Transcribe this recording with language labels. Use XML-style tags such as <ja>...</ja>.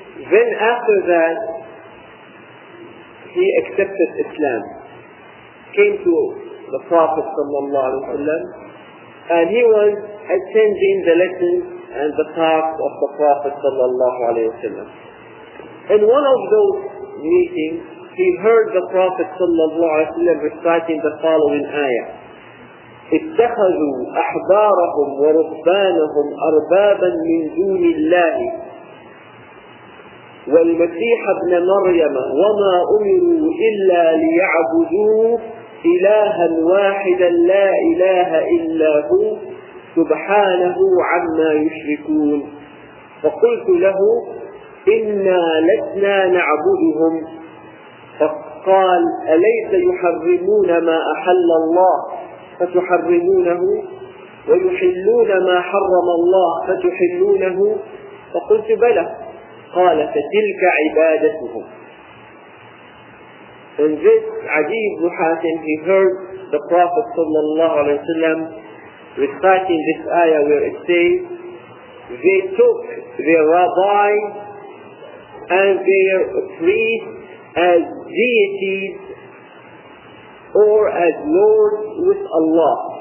<en>Then after that, he accepted Islam, came to the Prophet sallallahu alaihi wasallam, and he was attending the lessons and the talks of the Prophet sallallahu alaihi wasallam. In one of those meetings, he heard the Prophet sallallahu alaihi wasallam reciting the following ayah.</en> <ar>اتخذوا أحبارهم ورهبانهم أربابا من دون الله والمسيح ابن مريم وما أمروا إلا ليعبدوا إلها واحدا لا إله إلا هو سبحانه عما يشركون فقلت له إنا لسنا نعبدهم فقال أليس يحرمون ما أحل الله فتحرمونه ويحلون ما حرم الله فتحلونه فقلت بلى قال فتلك عبادتهم.</ar> <en>In this Adi ibn Hatim, he heard the Prophet sallallahu alayhi wa sallam reciting this ayah where it says they took their rabbi and their priest as deities or as Lord with Allah.</en>